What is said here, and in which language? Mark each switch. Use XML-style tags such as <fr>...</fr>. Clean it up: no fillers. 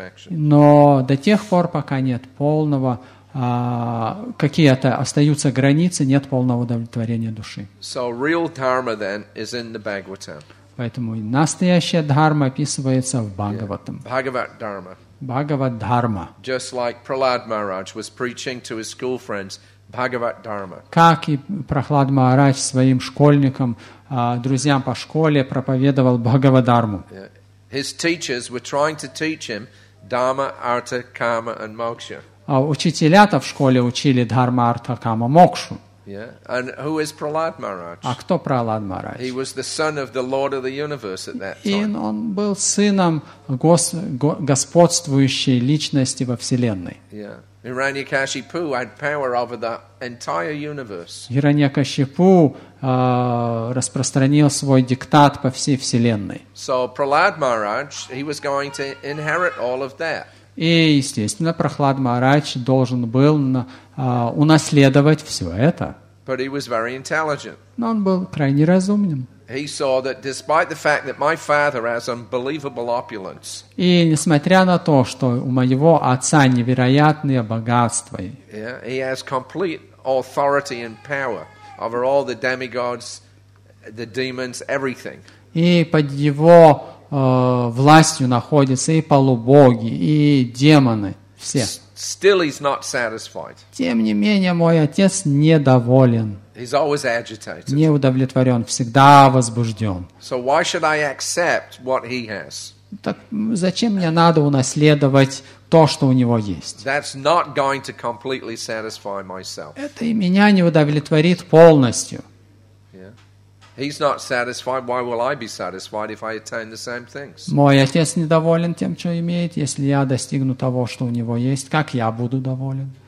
<ru>Но до тех пор, пока нет полного какие-то остаются границы, нет полного удовлетворения души.</ru> <en>So real dharma, then, is in the Bhagavatam.</en> <ru>Поэтому настоящая дхарма описывается в Бхагаватам. Бхагават-дхарма. Бхагават-дхарма.</ru> <en>Just like Prahlad Maharaj was preaching to his school friends Bhagavat-dharma.</en> <ru>Как и Прохлад Махарадж своим школьникам, друзьям по школе проповедовал Бхагават-дхарму.</ru> <en>His teachers were trying to teach him dharma, artha, karma and moksha.</en> <ru>А учителя-то в школе учили дхарма, артха, кама, мокшу.</ru> <en>Yeah. And who is Prahlad Maharaj?</en> <ru>А кто Прохлад Махарадж?</ru> <en>He was the son of the Lord of the Universe at that time.</en> <ru>И он был сыном господствующей личности во вселенной.</ru> <en>Yeah. Hiranyakashipu had power over the entire universe.</en> <ru>Hiranyakashipu распространил свой диктат по всей вселенной.</ru> <en>So Prahlad Maharaj, he was going to inherit all of that.</en> <ru>И, естественно, Прохлад Махарадж должен был унаследовать все это.</ru> <en>But he was very intelligent.</en> <ru>Но он был крайне разумным.</ru> <en>He saw that despite the fact that my father has unbelievable opulence.</en> <ru>И несмотря на то, что у моего отца невероятные богатства.</ru> <en>Yeah, he has complete authority and power over all the demigods, the demons, everything.</en> <ru>И под его властью находятся и полубоги, и демоны, все.</ru> <en>Still he's not satisfied.</en> <ru>Тем не менее, мой отец недоволен.</ru> <en>He's always agitated.</en> <ru>Неудовлетворен, всегда возбужден.</ru> <en>So why should I accept what he has?</en> <ru>Так зачем мне надо унаследовать то, что у него есть?</ru> <en>That's not going to completely satisfy myself.</en> <ru>Это и меня не удовлетворит полностью.</ru> <en>He's not satisfied. Why will I be satisfied if I attain the same things?</en> <ru>Мой отец недоволен тем, что имеет. Если я достигну того, что у него есть, как я буду доволен?</ru>